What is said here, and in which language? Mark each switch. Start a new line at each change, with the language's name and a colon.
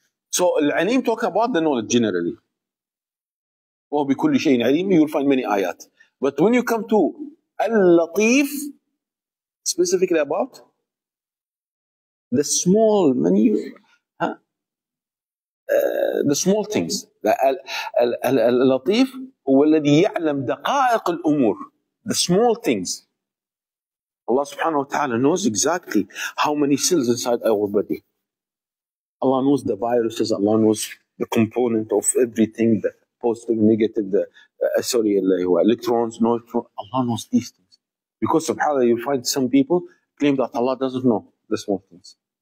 English: So, العليم talk about the knowledge generally.
Arabic: وهو بكل شيء عليم,
English: you'll find many آيات. But when you come to اللطيف, specifically about the small menu, the small things.
Arabic: اللطيف هو الذي يعلم دقائق الأمور.
English: The small things. Allah subhanahu wa ta'ala knows exactly how many cells inside our body. Allah knows the viruses, Allah knows the component of everything, the positive, negative, the electrons, neutrons. Allah knows these things. Because subhanAllah, you find some people claim that Allah doesn't know the small things.